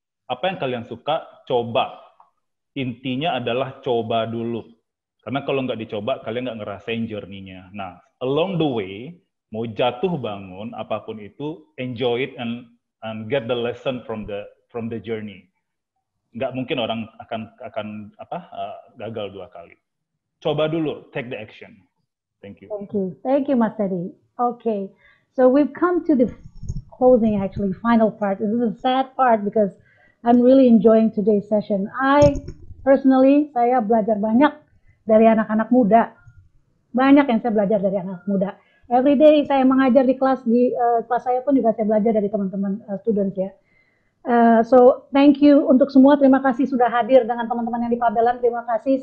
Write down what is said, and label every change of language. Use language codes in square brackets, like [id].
[id] Apa yang kalian suka, coba. Intinya adalah coba dulu. Karena kalau nggak dicoba, kalian nggak ngerasain journey-nya. [en] Nah, along the way, [id] mau jatuh bangun, apapun itu, [en] enjoy it and get the lesson from the journey. [id] Nggak mungkin orang akan gagal dua kali. Coba dulu, [en] take the action. Thank you, Mas Teddy. Okay, so we've come to the closing, actually, final part. This is a sad part because I'm really enjoying today's session. [id] Saya belajar banyak dari anak-anak muda. Banyak yang saya belajar dari anak muda. [en] Every day [id] saya mengajar di kelas, kelas saya pun juga saya belajar dari teman-teman students ya. [en] So thank you [id] untuk semua, terima kasih sudah hadir dengan teman-teman yang di Pabelan, terima kasih.